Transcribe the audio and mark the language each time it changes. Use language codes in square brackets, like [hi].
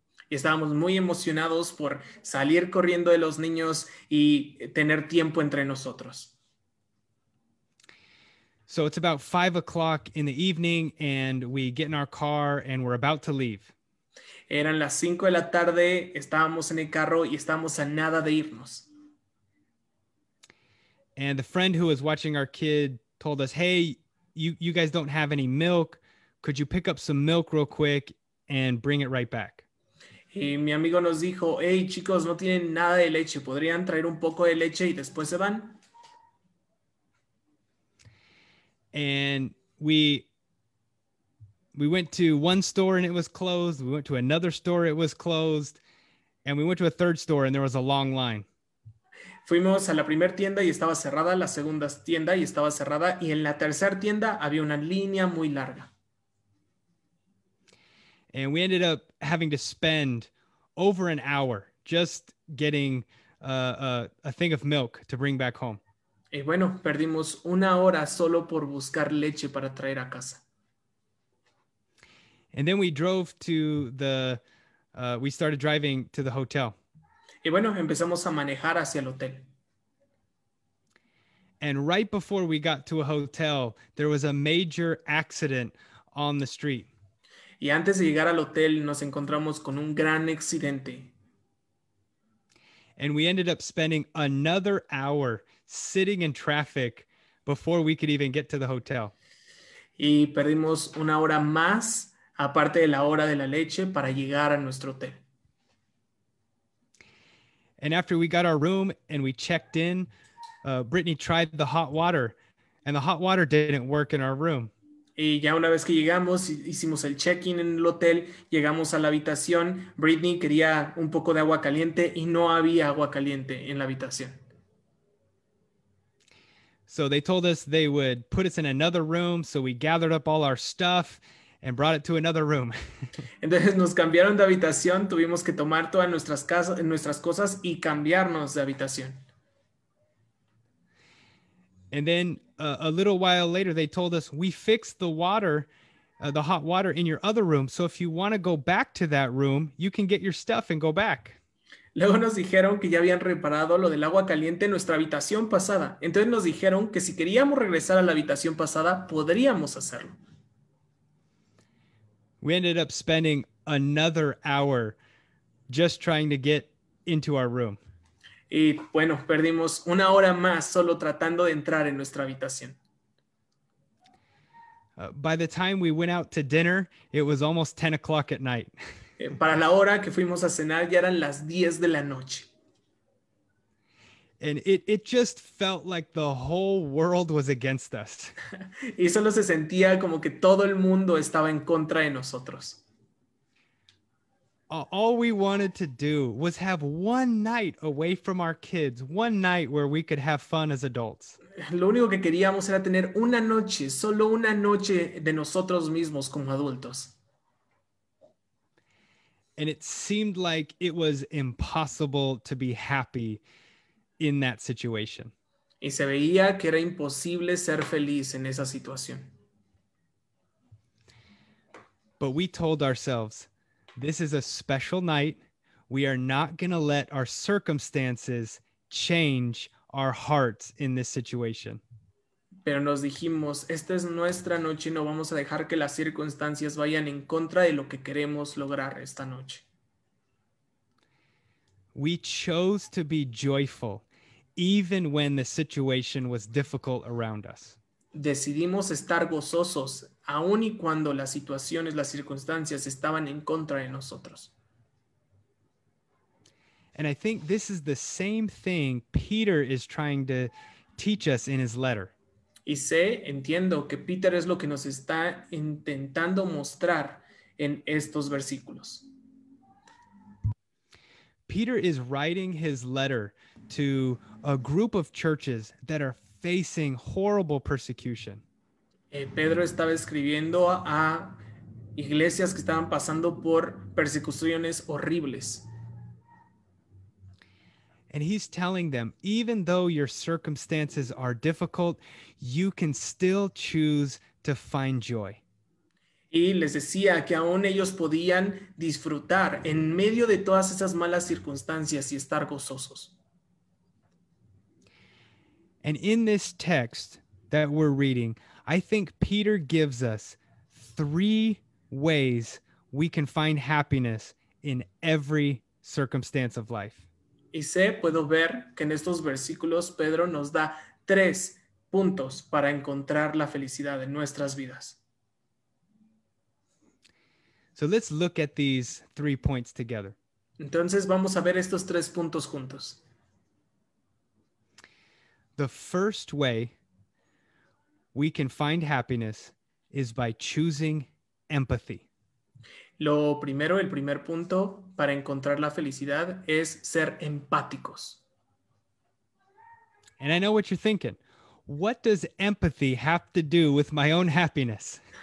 [es] Y estábamos muy emocionados por salir corriendo de los niños y tener tiempo entre nosotros. [en] So it's about 5:00 in the evening and we get in our car and we're about to leave. [es] Eran las 5 de la tarde, estábamos en el carro y estábamos a nada de irnos. [en] And the friend who was watching our kid told us, hey, you guys don't have any milk. Could you pick up some milk real quick and bring it right back? [es] Y mi amigo nos dijo, hey, chicos, no tienen nada de leche. ¿Podrían traer un poco de leche y después se van? [en] And we went to one store and it was closed. We went to another store, it was closed. And we went to a third store and there was a long line. [es] Fuimos a la primer tienda y estaba cerrada, la segunda tienda y estaba cerrada, y en la tercera tienda había una línea muy larga. [en] And we ended up having to spend over an hour just getting a thing of milk to bring back home. [es] Y bueno, perdimos una hora solo por buscar leche para traer a casa. [en] And then we started driving to the hotel. [es] Y bueno, empezamos a manejar hacia el hotel. [en] And right before we got to a hotel, there was a major accident on the street. [es] Y antes de llegar al hotel, nos encontramos con un gran accidente. [en] And we ended up spending another hour sitting in traffic before we could even get to the hotel. [es] Y perdimos una hora más, aparte de la hora de la leche, para llegar a nuestro hotel. [en] And after we got our room and we checked in, Brittany tried the hot water and the hot water didn't work in our room. [es] Y ya una vez que llegamos, hicimos el check-in en el hotel, llegamos a la habitación, Brittany quería un poco de agua caliente y no había agua caliente en la habitación. [en] So they told us they would put us in another room, so we gathered up all our stuff and brought it to another room. [es] Entonces nos cambiaron de habitación, tuvimos que tomar todas nuestras casas, nuestras cosas y cambiarnos de habitación. [en] And then a little while later, they told us, we fixed the water, the hot water in your other room. So if you want to go back to that room, you can get your stuff and go back. [es] Luego nos dijeron que ya habían reparado lo del agua caliente en nuestra habitación pasada. Entonces nos dijeron que si queríamos regresar a la habitación pasada, podríamos hacerlo. [en] We ended up spending another hour just trying to get into our room. [es] Y bueno, perdimos una hora más solo tratando de entrar en nuestra habitación. [en] By the time we went out to dinner, it was almost 10 o'clock at night. [es] Para la hora que fuimos a cenar ya eran las 10 de la noche. [en] And it just felt like the whole world was against us. [es] Y solo se sentía como que todo el mundo estaba en contra de nosotros. [en] All we wanted to do was have one night away from our kids, one night where we could have fun as adults. [es] Lo único que queríamos era tener una noche, solo una noche de nosotros mismos como adultos. [en] And it seemed like it was impossible to be happy in that situation. [es] Y se veía que era imposible ser feliz en esa situación. [en] But we told ourselves, this is a special night. We are not going to let our circumstances change our hearts in this situation. [es] Pero nos dijimos, esta es nuestra noche y no vamos a dejar que las circunstancias vayan en contra de lo que queremos lograr esta noche. [en] We chose to be joyful even when the situation was difficult around us. [es] Decidimos estar gozosos aun y cuando las situaciones, las circunstancias estaban en contra de nosotros. [en] And I think this is the same thing Peter is trying to teach us in his letter. [es] Y sé, entiendo que Peter es lo que nos está intentando mostrar en estos versículos. [en] Peter is writing his letter to a group of churches that are facing horrible persecution. [es] Pedro estaba escribiendo a iglesias que estaban pasando por persecuciones horribles. [en] And he's telling them, even though your circumstances are difficult, you can still choose to find joy. [es] Y les decía que aún ellos podían disfrutar en medio de todas esas malas circunstancias y estar gozosos. [en] And in this text that we're reading, I think Peter gives us three ways we can find happiness in every circumstance of life. [es] Y sé, puedo ver que en estos versículos Pedro nos da tres puntos para encontrar la felicidad en nuestras vidas. [en] So let's look at these three points together. [es] Entonces vamos a ver estos tres puntos juntos. [en] The first way we can find happiness is by choosing empathy. [es] Lo primero, el primer punto para encontrar la felicidad es ser empáticos. [en] And I know what you're thinking. What does empathy have to do with my own happiness?